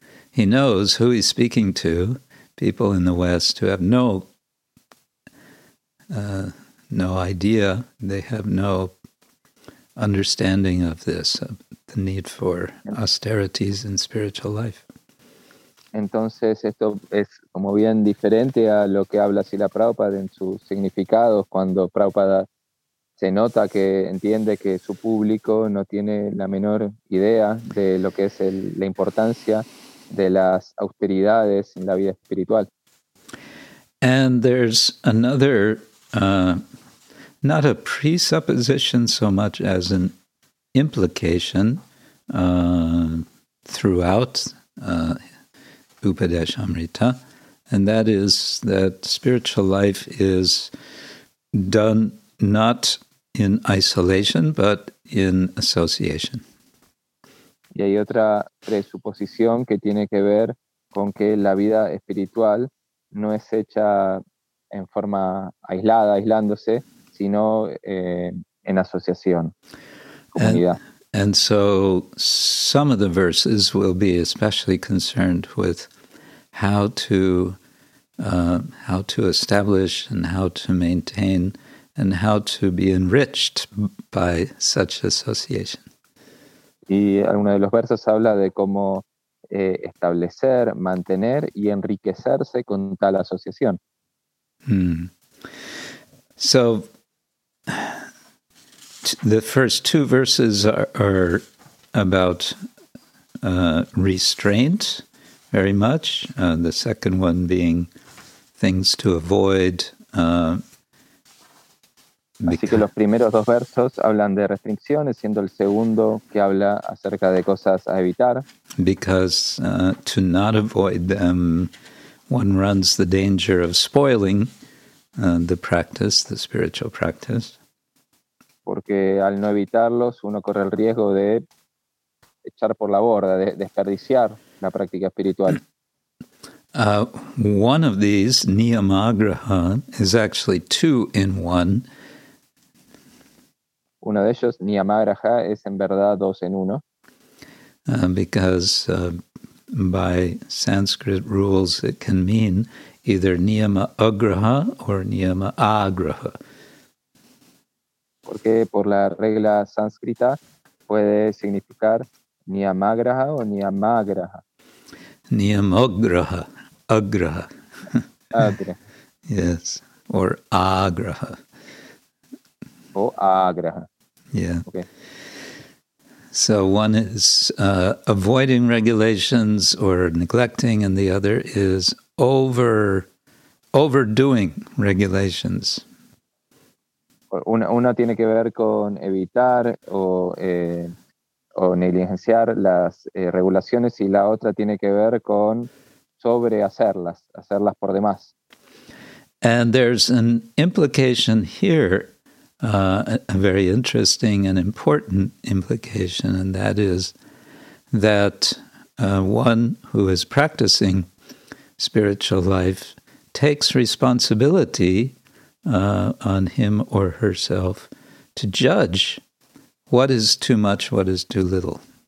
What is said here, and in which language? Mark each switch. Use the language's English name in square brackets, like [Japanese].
[English] He knows who he's speaking to, people in the West who have no idea, they have no understanding of this, of the need for austerities in spiritual life. [Spanish] Entonces esto es como bien diferente a lo que habla Srila Prabhupada en sus significados, cuando Prabhupada se nota que entiende que su público no tiene la menor idea de lo que es la importancia de las austeridades en la vida espiritual. [English] And there's another, not a presupposition so much as an implication throughout Upadeshamrita, and that is that spiritual life is done not in isolation, but in association. [Spanish] Y hay otra presuposición que tiene que ver con que la vida espiritual no es hecha en forma aislada, aislándose, sino en asociación, comunidad. [English] And so some of the verses will be especially concerned with how to establish and how to maintain and how to be enriched by such association. [Spanish] Y alguno de los versos habla de cómo establecer, mantener y enriquecerse con tal asociación. [English] So the first two verses are about restraint very much, the second one being things to avoid. [Spanish] Así que los primeros dos versos hablan de restricciones, siendo el segundo que habla acerca de cosas a evitar. [English] Because to not avoid them, one runs the danger of spoiling the practice, the spiritual practice. [Spanish] Porque al no evitarlos, uno corre el riesgo de echar por la borda, de desperdiciar la práctica espiritual. [English] One of these, Niyamagraha, is actually two in one. [Spanish] Uno de ellos, Niyamagraha, es en verdad dos en uno. [English] Because by Sanskrit rules it can mean either Niyama Agraha or Niyama Agraha. [Spanish] Porque por la regla sánscrita puede significar Niyamagraha o Niyamagraha. [Sanskrit] Niyamagraha, Agraha. Agraha. [English] Yes, or Agraha. [Spanish] O Agraha. [English] Yeah. Okay. So one is avoiding regulations or neglecting, and the other is overdoing regulations. [Spanish] Una tiene que ver con evitar o negligenciar las regulaciones, y la otra tiene que ver con sobrehacerlas, hacerlas por demás. [English] And there's an implication here. A very interesting and important implication, and that is that one who is practicing spiritual life takes responsibility on him or herself to judge what is too much, what is too little.